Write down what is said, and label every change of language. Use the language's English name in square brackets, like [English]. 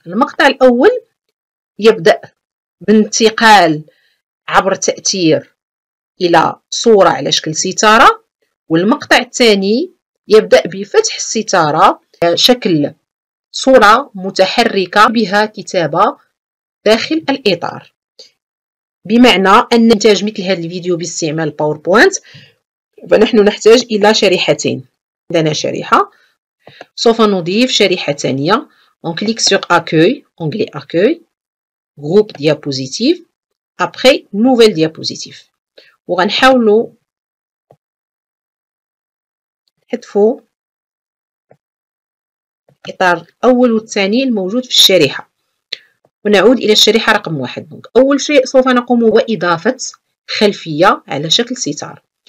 [Arabic] المقطع الاول يبدا بانتقال عبر تاثير الى صوره على شكل ستاره، والمقطع الثاني يبدا بفتح الستاره شكل صوره متحركه بها كتابه داخل الاطار. بمعنى أن إنتاج مثل هذا الفيديو باستعمال باوربوينت فنحن نحتاج إلى شريحتين. عندنا شريحة، سوف نضيف شريحة ثانية. [French] On clique sur accueil, onglet accueil, groupe diapositive, après nouvelle diapositive. [Arabic] وغنحاولو نحذفو إطار الأول والثاني الموجود في الشريحة. ونعود إلى الشريحة رقم واحد. أول شيء سوف نقوم هو إضافة خلفية على شكل ستار.